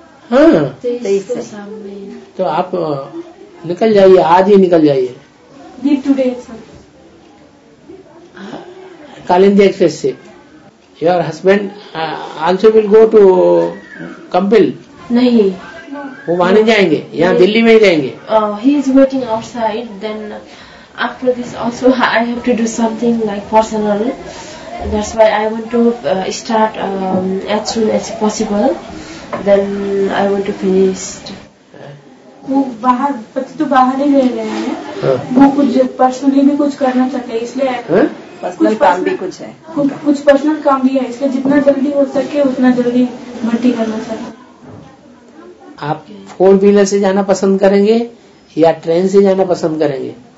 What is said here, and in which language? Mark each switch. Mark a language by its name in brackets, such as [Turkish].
[Hindi] हाँ, 23 तो आप निकल जाइए, आज ही निकल जाइए, [English] leave today [Hindi] कालिंदी एक्सप्रेस से। [English] Your husband also will go to Kampil? [Hindi] नहीं, वो वहाँ नहीं जाएंगे, यहाँ दिल्ली में ही जाएंगे। [English] He is waiting outside, then after this also I have to do something like personal, that's why I want to start as soon as possible, then I want to finish. [Hindi] वो बाहर पति तो बाहर ही रह रहे हैं, वो कुछ पर्सनली भी कुछ करना चाहते हैं, इसलिए कुछ काम भी कुछ है, कुछ पर्सनल काम भी है, इसलिए जितना जल्दी हो सके उतना जल्दी भर्ती करना चाहते। आप फोर व्हीलर से जाना पसंद करेंगे या ट्रेन से जाना पसंद करेंगे?